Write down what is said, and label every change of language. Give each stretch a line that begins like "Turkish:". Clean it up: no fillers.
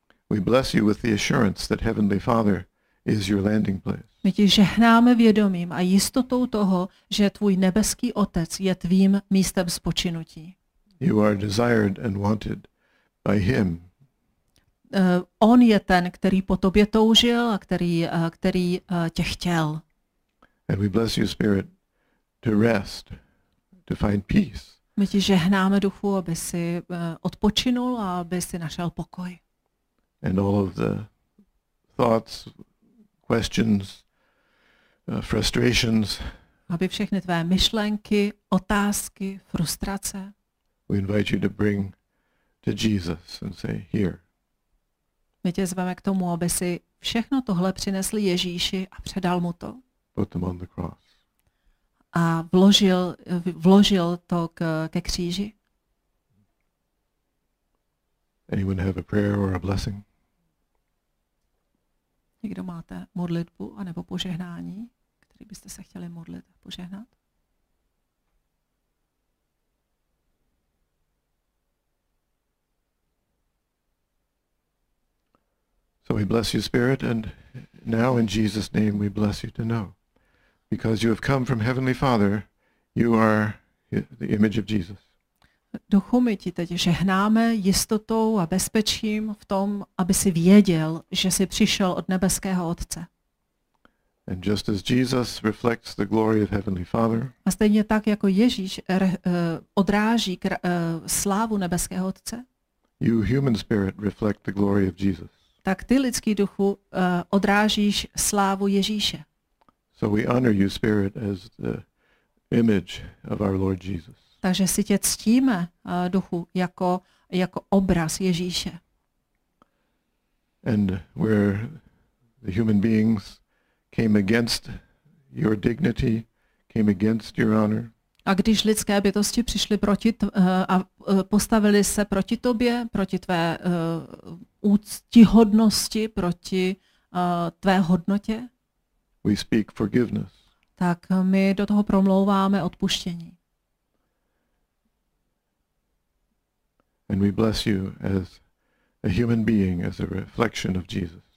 English: We bless you with the assurance that Heavenly Father is your landing place.
Czech: My ti žehnáme vědomím a jistotou toho, že tvůj nebeský Otec je tvým místem spočinutí.
English: You are desired and wanted by him.
Czech: On je ten, který po tobě toužil a který tě chtěl.
English: And we bless you, Spirit, to rest, to find peace.
Czech: My ti žehnáme duchu, aby si odpočinul a aby si našel pokoj.
English: And all of the thoughts, questions, frustrations.
Czech: Aby všechny tvé myšlenky, otázky, frustrace.
English: We invite you to bring to Jesus and say, here.
Czech: My tě zveme k tomu, aby si všechno tohle přinesl Ježíši a předal mu to.
English: Put them on the cross.
Czech: A vložil to ke kříži.
English: Anyone have a prayer or a blessing?
Czech: Někdo máte modlitbu anebo požehnání, který byste se chtěli modlit a požehnat?
English: So we bless you, Spirit, and now in Jesus' name we bless you to know. Because you have come from Heavenly Father, you are the image of Jesus.
Czech: Duchu, my ti teď žehnáme jistotou a bezpečím v tom, aby si věděl, že jsi přišel od nebeského Otce.
English: And just as Jesus reflects the glory of Heavenly Father,
Czech: a stejně tak, jako Ježíš odráží slávu nebeského Otce,
English: you human spirit reflect the glory of Jesus.
Czech: Tak ty, lidský duchu, odrážíš slávu Ježíše.
English: So we honor you, Spirit, as the image of our Lord Jesus.
Czech: Takže si tě ctíme, duchu, jako obraz Ježíše.
English: And where the human beings came against your dignity, came against your honor.
Czech: A když lidské bytosti přišly proti postavili se proti tobě, proti tvé úctihodnosti, proti tvé hodnotě.
English: We speak forgiveness.
Czech: Tak my do toho promlouváme odpuštění.
English: And we bless you as a human being, as a reflection of Jesus.